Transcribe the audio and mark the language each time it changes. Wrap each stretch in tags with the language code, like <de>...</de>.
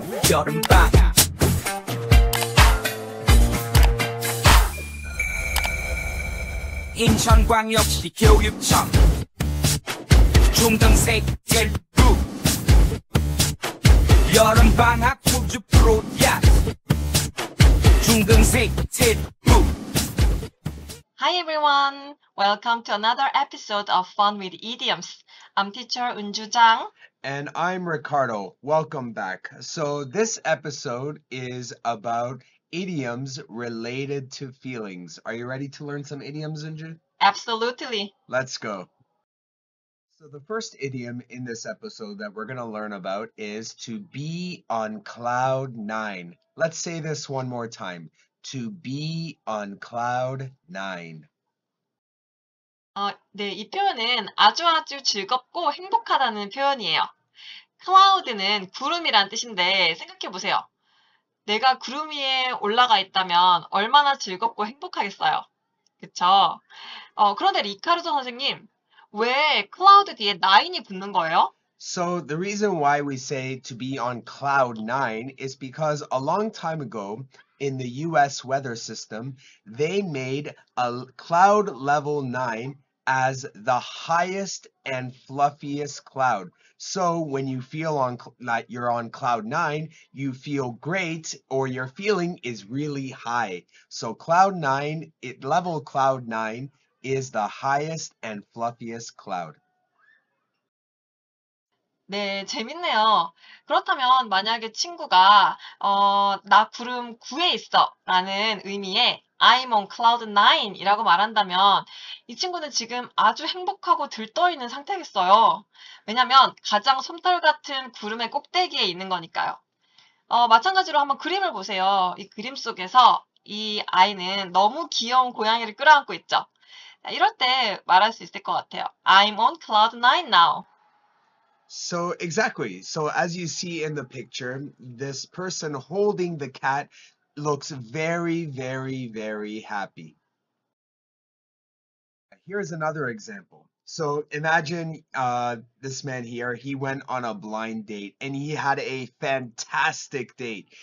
<en>여름방 인천광역시 교육청 중등생들부 여름방학 호주 프로야 중등생들부 Hi everyone! Welcome to another episode of Fun with Idioms. I'm teacher 은주장. And I'm Ricardo. Welcome back. So this episode is about idioms related to feelings. Are you ready to learn some idioms, 은주? Absolutely. Let's go. So the first idiom in this episode that we're going to learn about is to be on cloud nine. Let's say this one more time. To be on cloud nine.</en> <ko>네, 이 표현은 아주아주 즐겁고 행복하다는 표현이에요. 클라우드는 구름이란 뜻인데 생각해보세요. 내가 구름 위에 올라가 있다면 얼마나 즐겁고 행복하겠어요. 그쵸? 그런데 리카르도 선생님, 왜 클라우드 뒤에 나인이 붙는 거예요?</ko> <en>So the reason why we say to be on cloud nine is because a long time ago, in the US weather system, they made a cloud level 9 as the highest and fluffiest cloud. So when you feel on like you're on cloud 9, you feel great or your feeling is really high. So cloud 9, level cloud 9 is the highest and fluffiest cloud.</en> <ko>네, 재밌네요. 그렇다면 만약에 친구가 나 구름 9에 있어 라는 의미의</ko> <en>I'm on cloud 9</en> <ko>이라고 말한다면 이 친구는 지금 아주 행복하고 들떠있는 상태겠어요. 왜냐면 가장 솜털 같은 구름의 꼭대기에 있는 거니까요. 마찬가지로 한번 그림을 보세요. 이 그림 속에서 이 아이는 너무 귀여운 고양이를 끌어안고 있죠. 이럴 때 말할 수 있을 것 같아요.</ko> <en>I'm on cloud 9 now. So exactly. So as you see in the picture, this person holding the cat looks very, very, very happy. Here's another example. So imagine this man here, he went on a blind date and he had a fantastic date.</en>